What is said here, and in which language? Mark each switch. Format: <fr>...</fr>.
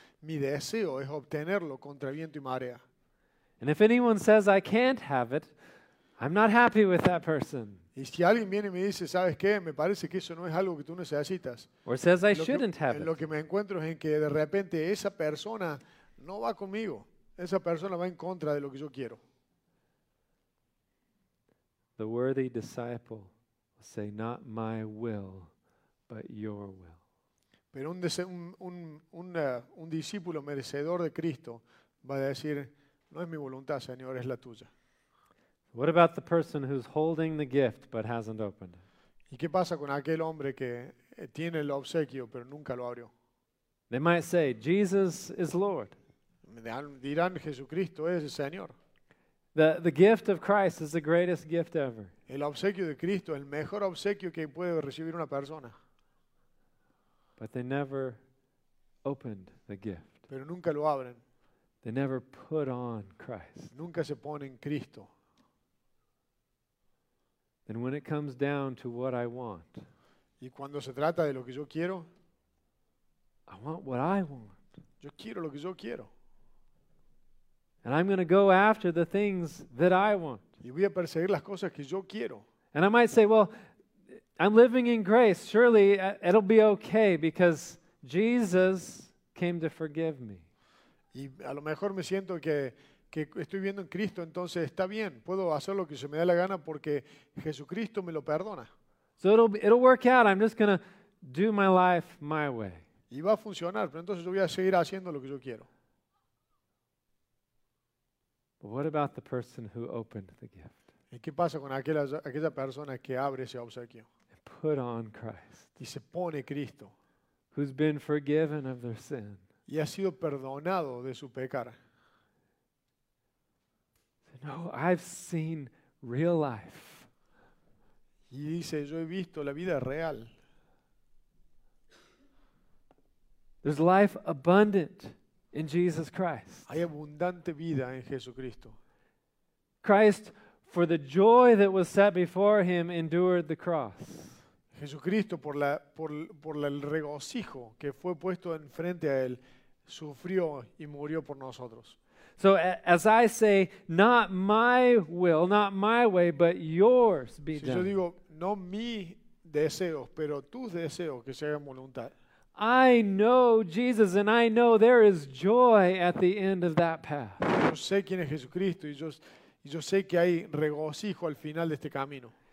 <es>Mi deseo es obtenerlo contra viento y marea.</es> <en>And if anyone says I can't have it, I'm not happy with that person.</en> <es>Y si alguien viene y me dice, ¿sabes qué? Me parece que eso no es algo que tú necesitas.</es> <en>Or says I shouldn't have it.</en> <es>Lo que me encuentro es en que de repente esa persona no va conmigo. Esa persona va en contra de lo que yo quiero.</es> <en>The worthy disciple will say, not my will, but your will.</en> <es>Pero un discípulo merecedor de Cristo va a decir, no es mi voluntad, Señor, es la tuya.</es> <en>What about the person who's holding the gift but hasn't opened it?</en> <es>¿Y qué pasa con aquel hombre que tiene el obsequio pero nunca lo abrió?</es> <en>They might say, Jesus is Lord.</en> <es>Dirán, Jesucristo es el Señor.</es> <en>The gift of Christ is the greatest gift ever.</en> <es>El obsequio de Cristo es el mejor obsequio que puede recibir una persona.</es> <en>But they never opened the gift.</en> <es>Pero nunca lo abren.</es> <en>They never put on Christ.</en> <es>Nunca se ponen Cristo.</es> <en>And when it comes down to what I want,</en> <es>y cuando se trata de lo que yo quiero,</es> <en>I want what I want.</en> <es>Yo quiero lo que yo quiero.</es> <en>And I'm going to go after the things that I want.</en> <es>Y voy a perseguir las cosas que yo quiero.</es> <en>And I might say, well, I'm living in grace. Surely it'll be okay because Jesus came to forgive me.</en> <es>Y a lo mejor me siento que estoy viviendo en Cristo, entonces está bien. Puedo hacer lo que se me dé la gana porque Jesucristo me lo perdona.</es> <en>So it'll work out. I'm just going to do my life my way.</en> <es>Y va a funcionar, pero entonces yo voy a seguir haciendo lo que yo quiero.</es> <en>But what about the person who opened the gift?</en> <es>¿Y qué pasa con aquella persona que abre ese obsequio?</es> <en>And put on Christ.</en> <es>Y se pone Cristo.</es> <en>Who's been forgiven of their sin.</en> <es>Y ha sido perdonado de su pecar.</es> <en>No, I've seen real life.</en> <es>Y dice, yo he visto la vida real.</es> <en>There's life abundant in Jesus Christ.</en> <es>Hay abundante vida en Jesucristo.</es> <en>Christ, for the joy that was set before him, endured the cross.</en> <es>Jesucristo, por el regocijo que fue puesto enfrente a él, sufrió y murió por nosotros.</es> <en>So as I say, not my will, not my way, but yours be done.</en> <es>Si yo digo, no mis deseos, pero tus deseos que se hagan voluntad.</es> <en>I know Jesus and I know there is joy at the end of that path.</en> <es>Yo sé quién es Jesucristo y yo sé que hay regocijo al final de este camino.</es>